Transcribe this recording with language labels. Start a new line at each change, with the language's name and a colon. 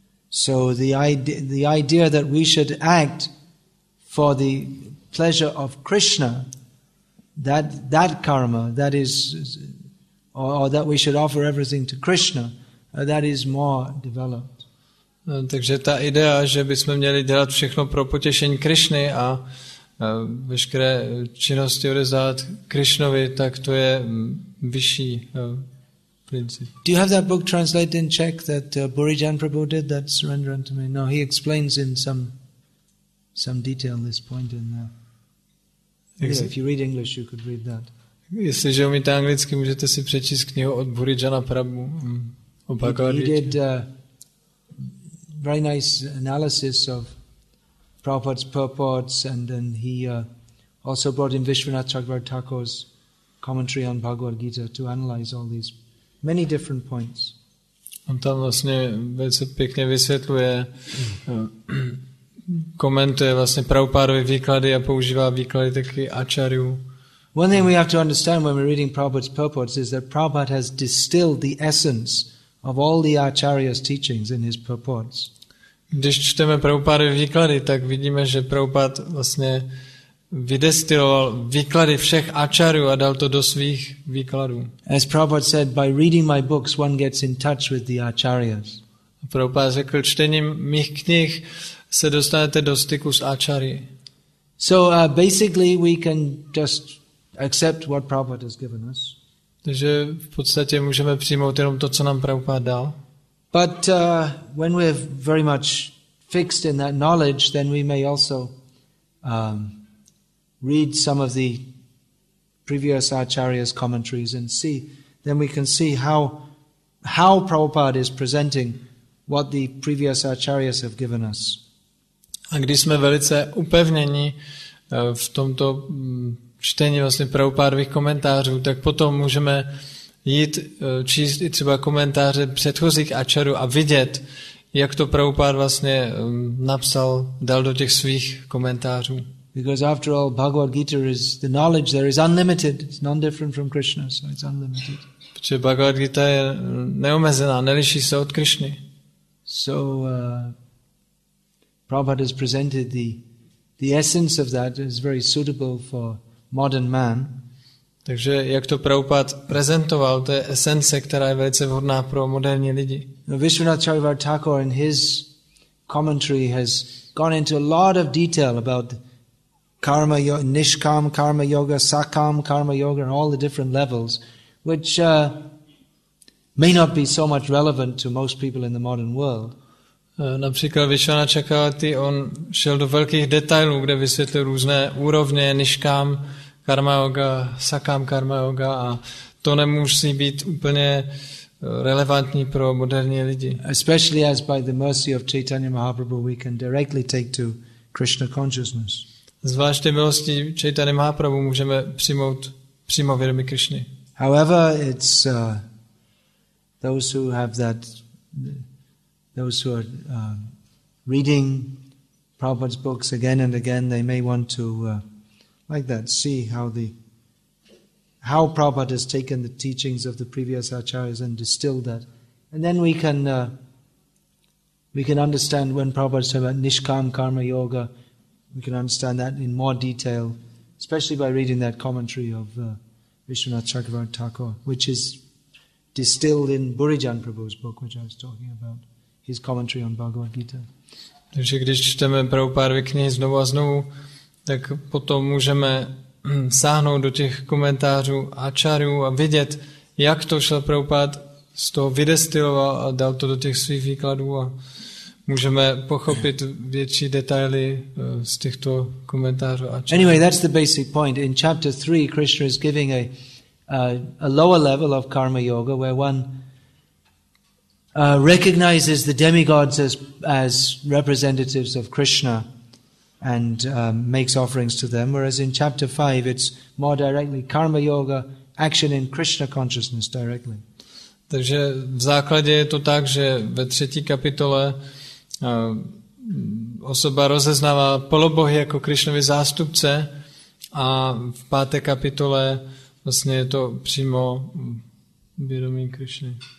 English: So the idea that we should act for the pleasure of Krishna, that karma, that is, or that we should offer everything to Krishna, that is more developed.
Czech: No, takže ta idea, že bychom měli dělat všechno pro potěšení Krishny a veškeré činnosti odezdat Krishnovi, tak to je vyšší princip.
English: Do you have that book translated in Czech that Burijan Prabhu did, that surrender unto me? No, he explains in some detail this point in there. Yeah, if you read English, you could read that.
Czech: Jestliže umíte anglicky, můžete si přečíst knihu od Burijana Prabhu o Bhagavad
English: Gita. He did a very nice analysis of Prabhupada's purports, and then he also brought in Vishwanath Chakravarti Thakur's commentary on Bhagavad Gita to analyze all these many different points.
Czech: On tam vlastně velice pěkně vysvětluje, komentuje vlastně Prabhupádovy výklady a používá výklady taky Ačarjů.
English: One thing we have to understand when we're reading Prabhupada's purports is that Prabhupada has distilled the essence of all the Acharya's teachings in his purports.
Czech: Když čteme Prabhupádovy výklady, tak vidíme, že Prabhupád vlastně vydestiloval výklady všech Acharyů a dal to do svých výkladů.
English: As Prabhupada said, by reading my books one gets in touch with the Acharyas.
Czech: Prabhupád řekl, čtením mých knih se dostanete do styku s Acharyi.
English: So basically we can just accept what Prabhupada has given us.
Czech: Takže v podstatě můžeme přijmout jenom to, co nám Prabhupada dal.
English: But when we're very much fixed in that knowledge, then we may also read some of the previous Acharya's commentaries and see, then we can see how Prabhupada is presenting what the previous Acharyas have given us.
Czech: A když jsme velice upevněni v tomto čtení vlastně Prabhupádových komentářů, tak potom můžeme jít číst i třeba komentáře předchozích Acharyů a vidět, jak to Prabhupád vlastně napsal, dal do těch svých komentářů.
English: Because after all, Bhagavad Gita is the knowledge there is unlimited. It's non-different from Krishna, so it's unlimited.
Czech: Protože Bhagavad Gita je neomezená, neliší se od Krishny.
English: So Prabhupada has presented the essence of that is very suitable for modern man.
Czech: Takže jak to Prabhupád prezentoval, to je esence, která je velice vhodná pro moderní lidi.
English: Vishwanath Chakravarti Thakur in his commentary has gone into a lot of detail about karma, nishkam, karma yoga, sakam, karma yoga, and all the different levels, which may not be so much relevant to most people in the modern world.
Czech: Například Vishwanath Chakravarti, on šel do velkých detailů, kde vysvětlil různé úrovně nishkam, karma yoga, sakam karma yoga, a to nemusí být úplně relevantní pro moderní lidi.
English: Especially as by the mercy of Chaitanya Mahaprabhu we can directly take to Krishna consciousness.
Czech: Zvláště milostí Chaitanya Mahaprabhu můžeme přijmout přímo vědomí Krishny.
English: However, it's those who have that, those who are reading Prabhupada's books again and again, they may want to like that, see how Prabhupada has taken the teachings of the previous Acharyas and distilled that, and then we can understand when Prabhupada talks about nishkam karma yoga, we can understand that in more detail, especially by reading that commentary of Vishwanath Chakravarti Thakur, which is distilled in Burijan Prabhu's book, which I was talking about, his commentary on Bhagavad Gita.
Czech: Takže když čteme Prabhupádovy knihy znovu a znovu, tak potom můžeme sáhnout do těch komentářů Acharyů a vidět, jak to šel Prabhupád z toho vydestiloval a dal to do těch svých výkladů, a můžeme pochopit větší detaily z těchto komentářů Acharyů.
English: Anyway, that's the basic point. In chapter 3, Krishna is giving a lower level of karma yoga where one recognizes the demigods as representatives of Krishna and makes offerings to them, whereas in chapter 5 it's more directly karma yoga, action in Krishna consciousness directly.
Czech: Takže v základě je to tak, že ve třetí kapitole osoba rozeznává polobohy jako Krišnovy zástupce a v páté kapitole vlastně je to přímo vědomí Krišny.